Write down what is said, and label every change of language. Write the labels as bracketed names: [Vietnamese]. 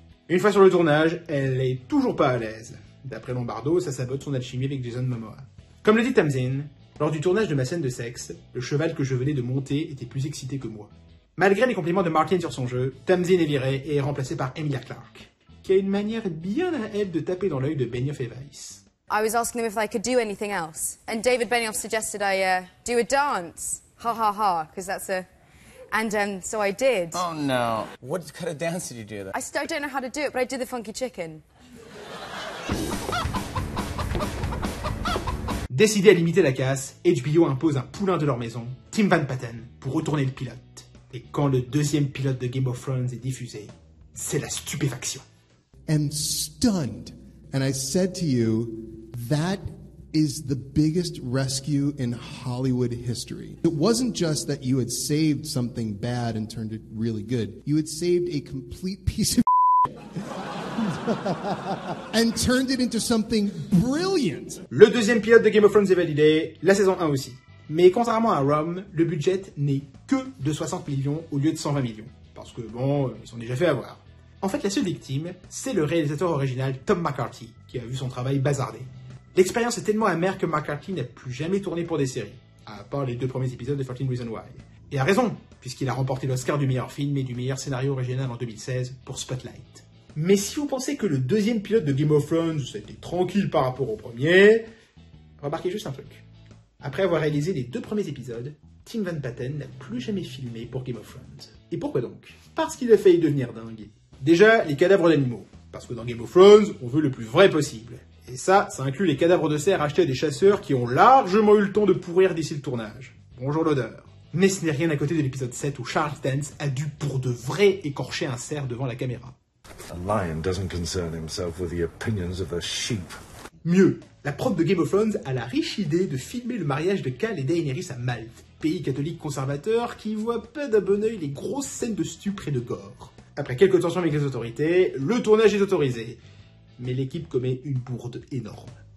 [French] Une fois sur le tournage, elle est toujours pas à l'aise. D'après Lombardo, ça sabote son alchimie avec Jason Momoa. Comme le dit Tamsin, lors du tournage de ma scène de sexe, le cheval que je venais de monter était plus excité que moi. Malgré les compliments de Martin sur son jeu, Tamsin est viré et est remplacé par Emilia Clarke, qui a une manière bien à elle de taper dans l'œil de Benioff et Weiss. [English] I was asking them if I could do anything else, and David Benioff suggested I do a dance. Ha ha ha, because that's a... And so I did. Oh no. What kind of dance did you do then? I still don't know how to do it, but I did the funky chicken. [French] Décidé à limiter la casse, HBO impose un poulain de leur maison, Tim Van Patten, pour retourner le pilote. Et quand le deuxième pilote de Game of Thrones est diffusé, c'est la stupéfaction. [English] And stunned. And I said to you, that is the biggest rescue in Hollywood history. It wasn't just that you had saved something bad and turned it really good. You had saved a complete piece of and turned it into something brilliant. [French] Le deuxième pilote de Game of Thrones est validé, la saison 1 aussi. Mais contrairement à Rome, le budget n'est que de 60 millions au lieu de 120 millions. Parce que bon, ils sont déjà fait avoir. En fait, la seule victime, c'est le réalisateur original Tom McCarthy, qui a vu son travail bazardé. L'expérience est tellement amère que McCarthy n'a plus jamais tourné pour des séries, à part les deux premiers épisodes de 13 Reasons Why. Et a raison, puisqu'il a remporté l'Oscar du meilleur film et du meilleur scénario original en 2016 pour Spotlight. Mais si vous pensez que le deuxième pilote de Game of Thrones, c'était tranquille par rapport au premier, remarquez juste un truc. Après avoir réalisé les deux premiers épisodes, Tim Van Patten n'a plus jamais filmé pour Game of Thrones. Et pourquoi donc? Parce qu'il a failli devenir dingue. Déjà, les cadavres d'animaux. Parce que dans Game of Thrones, on veut le plus vrai possible. Et ça, ça inclut les cadavres de cerfs achetés à des chasseurs qui ont largement eu le temps de pourrir d'ici le tournage. Bonjour l'odeur. Mais ce n'est rien à côté de l'épisode 7 où Charles Dance a dû pour de vrai écorcher un cerf devant la caméra. [English] A lion doesn't concern himself with the opinions of a sheep. [French] Mieux, la prod de Game of Thrones a la riche idée de filmer le mariage de Cal et Daenerys à Malte, pays catholique conservateur qui voit pas d'un bon œil les grosses scènes de stupre et de gore. Après quelques tensions avec les autorités, le tournage est autorisé. Mais l'équipe commet une bourde énorme.